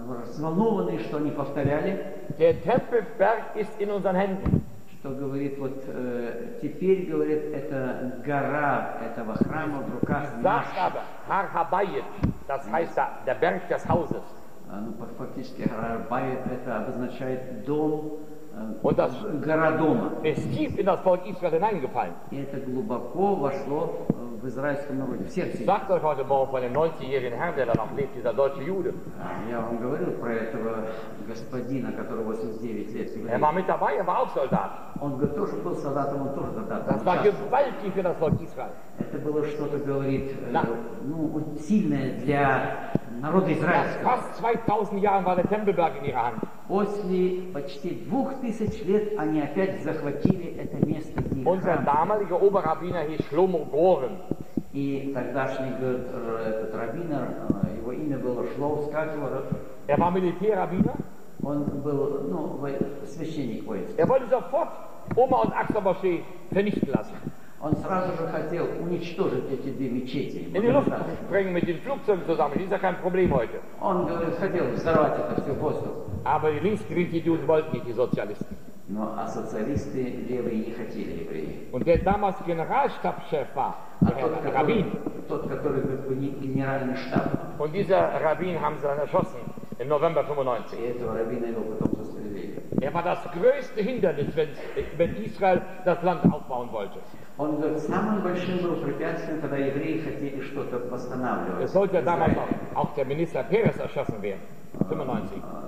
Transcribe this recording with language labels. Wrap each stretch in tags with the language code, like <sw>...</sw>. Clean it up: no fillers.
<ru>взволнованы, что они повторяли.</ru> <de>Der Tempelberg ist in unseren Händen.</de> <ru>Что говорит, вот теперь, говорит, это гора этого храма в руках наших.</ru> <de>Har-Habayit, das heißt der Berg des Hauses.</de> <ru>Ну, фактически, Har-Habayit, это обозначает дом, гора дома.</ru> <de>Es tief in das Volk Israel hineingefallen.</de> <ru>И это глубоко вошло в израильском народе, в сердце.</ru> <de>Sagt euch heute Morgen von dem 90-jährigen Herrn, der da noch lebt, dieser deutsche Jude.</de> <ru>Я вам говорил про этого господина, который 89 лет.</ru> <de>Er war mit dabei, er war auch Soldat.</de> <ru>Он тоже был солдатом, он тоже солдат.</ru> <de>Das war gewaltig für das Volk Israel.</de> <ru>Это было что-то, говорит, ну, сильное для народа израильского.</ru> <de>Fast 2000 Jahren war der Tempelberg in ihrer Hand.</de> <ru>После почти 2000 лет они опять захватили это место.</ru> <de>Unser damaliger Oberrabbiner hieß Shlomo Goren.</de> <ru>И тогдашний говорит, этот раввинер, его имя было Шлом Скатвор.</ru> <de>Er war Militärrabbiner.</de> <ru>Он был, ну, священник воинский.</ru> <de>Er wollte sofort Oma und Achsa-Moschee vernichten lassen.</de> <ru>Он сразу же хотел уничтожить эти две мечети.</ru> <de>In die Luft bringen mit den Flugzeugen zusammen. Ist ja kein Problem heute.</de> <ru>Он хотел взорвать это все в воздух.</ru> <de>Aber die Linksgrieche Juden wollten nicht, die Sozialisten.</de> <ru>Но а социалисты левые не хотели евреи.</ru> <de>Und der damals Generalstabschef war, der Rabbin.</de> <ru>Тот, который был генеральный штаб.</ru> <de>Und dieser Rabbin haben sie erschossen im November 95.</de> <ru>И этого Рабина его потом застрелили.</ru> <de>Er war das größte Hindernis, wenn Israel das Land aufbauen wollte.</de> <ru>Он был самым большим препятствием, когда евреи хотели что-то восстанавливать.</ru> <de>Es sollte damals auch der Minister Peres erschossen werden, 95.</de>